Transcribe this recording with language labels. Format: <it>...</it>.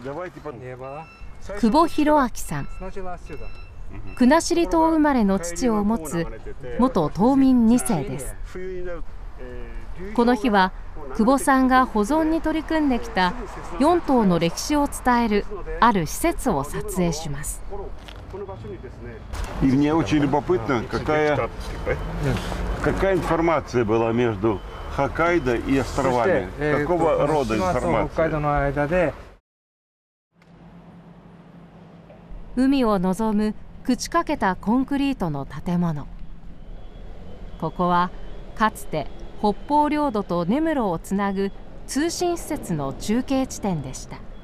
<ja>久保博明さん、国後島生まれの父を持つ元島民2世です。この日は久保さんが保存に取り組んできた4島の歴史を伝えるある施設を撮影します。</ja> <ru>И мне очень любопытно, какая информация была между Хоккайдо и островами. Какого рода информация?</ru> <ja>海を望む朽ちかけたコンクリートの建物。ここはかつて北方領土と根室をつなぐ通信施設の中継地点でした。</ja>